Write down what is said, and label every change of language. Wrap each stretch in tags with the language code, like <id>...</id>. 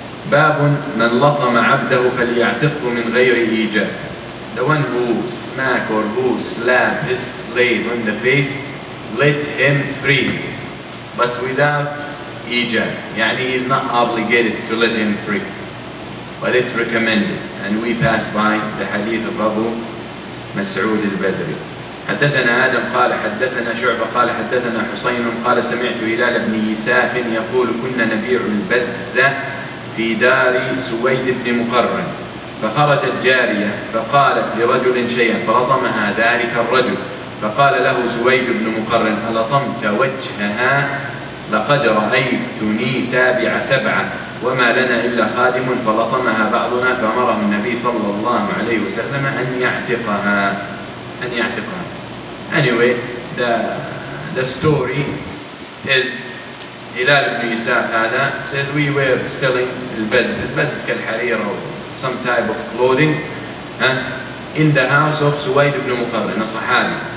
<ar>بَابٌ مَنْ لَطَمَ عَبْدَهُ فَلْيَعْتِقْهُ مِنْ غَيْرِ إِيجَابٍ</ar> <en>The one who smack or who slap his slave on the face, let him free. But without إيجاب. يعني he is not obligated to let him free. But it's recommended. And we pass by the hadith of Abu Mas'ud al-Badri.</en> <ar>حدثنا آدم قال حدثنا شعبة قال حدثنا حسين قال سمعت هلال بن يساف يقول كنا نبيع البزة في دار سويد بن مقرن فخرجت جارية فقالت لرجل شيئا فلطمها ذلك الرجل فقال له سويد بن مقرن ألطمت وجهها لقد رأيتني سابع سبعة وما لنا إلا خادم فلطمها بعضنا فأمره النبي صلى الله عليه وسلم أن يعتقها أن يعتقها.</ar> <en>Anyway, the story is هلال بن يساف هذا says we were selling</en> <ar>البز كالحرير</ar> <en>or some type of clothing in the house of سويد بن مقرن a صحابي.</en>